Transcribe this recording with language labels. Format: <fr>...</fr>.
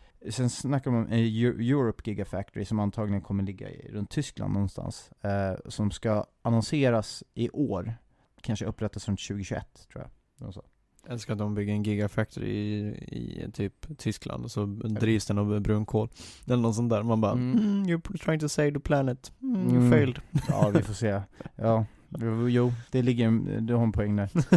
<sv>Sen snackar man om Europe Gigafactory, som antagligen kommer ligga runt Tyskland någonstans, som ska annonseras i år, kanske upprättas runt 2021, tror jag. Jag älskar att de bygger en Gigafactory i typ Tyskland, och så drivs den av brunkol eller någon sån där. Man bara</sv> <en>you're trying to save the planet, you failed.</en> <sv>Ja, vi får se. Ja. Jo, det ligger, du har en poäng där.</sv>